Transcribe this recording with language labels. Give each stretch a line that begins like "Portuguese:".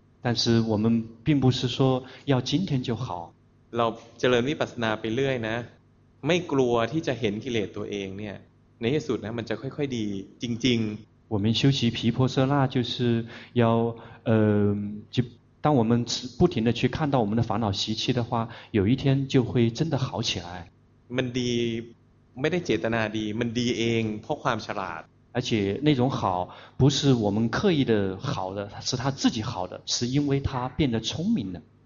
Chinese: 但是我们并不是说要今天就好
Thai: เราเจริญวิปัสสนาไปเรื่อยนะไม่กลัวที่จะเห็นกิเลสตัวเองเนี่ยในที่สุดนะมันจะค่อยๆดีจริงๆ
Chinese: 我们修习毗婆舍那就是要就当我们不停的去看到我们的烦恼习气的话有一天就会真的好起来
Thai: มันดีไม่ได้เจตนาดีมันดีเองเพราะความฉลาด
Chinese: 而且那种好不是我们刻意的好的是他自己好的是因为他变得聪明了